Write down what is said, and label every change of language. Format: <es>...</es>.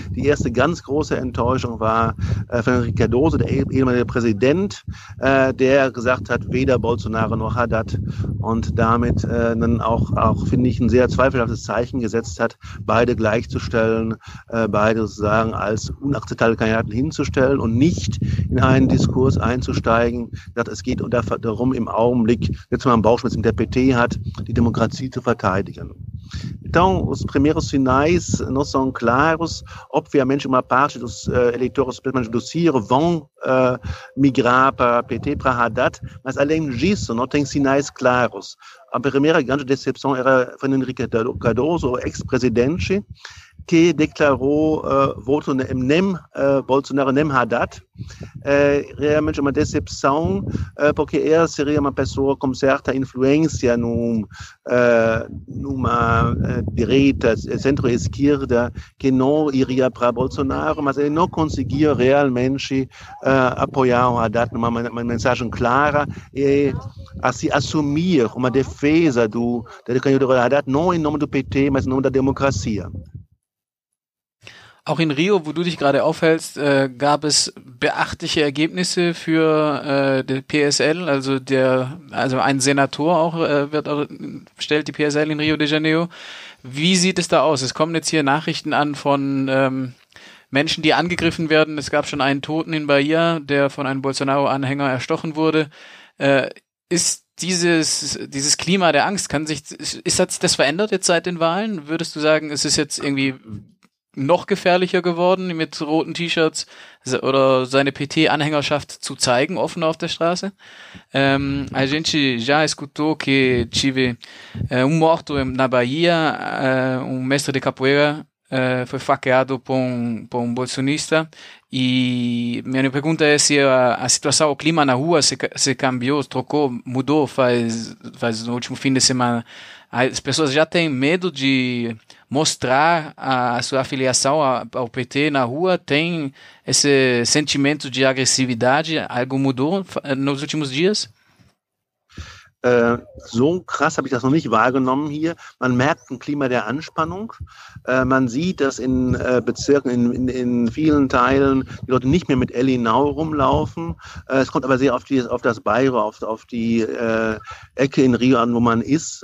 <de>Die erste ganz große Enttäuschung war von Ricardoso, der ehemalige Präsident, der gesagt hat, weder Bolsonaro noch Haddad, und damit dann auch finde ich, ein sehr zweifelhaftes Zeichen gesetzt hat, beide gleichzustellen, beide sozusagen als unakzeptable Kandidaten hinzustellen und nicht in einen Diskurs einzusteigen. Es geht darum, im Augenblick, jetzt mal einen Bauchschmerz mit der PT hat, die Demokratie zu verteidigen.</de> <pt>Então, os primeiros sinais não são claros. Obviamente, uma parte dos eleitores, principalmente do Ciro, vão migrar para a PT, para Haddad, mas além disso, não tem sinais claros. A primeira grande decepção era de Henrique Cardoso, ex-presidente, que declarou voto nem Bolsonaro, nem Haddad. Realmente uma decepção, porque ele seria uma pessoa com certa influência numa direita, centro-esquerda, que não iria para Bolsonaro, mas ele não conseguia realmente apoiar o Haddad numa mensagem clara e assim, assumir uma defesa da candidatura do Haddad, não em nome do PT, mas em nome da democracia.</pt> <de>Auch in Rio, wo du dich gerade aufhältst, gab es beachtliche Ergebnisse für die PSL, also ein Senator auch stellt die PSL in Rio de Janeiro. Wie sieht es da aus? Es kommen jetzt hier Nachrichten an von Menschen, die angegriffen werden. Es gab schon einen Toten in Bahia, der von einem Bolsonaro-Anhänger erstochen wurde. Ist dieses Klima der Angst, hat sich das verändert jetzt seit den Wahlen? Würdest du sagen, es ist jetzt irgendwie noch gefährlicher geworden, mit roten T-Shirts oder seine PT-Anhängerschaft zu zeigen, offen auf der Straße?</de> <pt>A gente já escutou que tive um morto na Bahia, um mestre de capoeira foi faqueado por um bolsonista. E minha pergunta é se a situação, o clima na rua se cambiou, trocou, mudou faz no último fim de semana. As pessoas já têm medo de mostrar a sua afiliação ao PT na rua? Tem esse sentimento de agressividade? Algo mudou nos últimos dias?</pt> <de>So krass habe ich das noch nicht wahrgenommen hier. Man merkt ein Klima der Anspannung. Man sieht, dass in Bezirken, in vielen Teilen die Leute nicht mehr mit Elli Nau rumlaufen. Es kommt aber sehr auf das Bairro, auf die Ecke in Rio an, wo man ist.</de>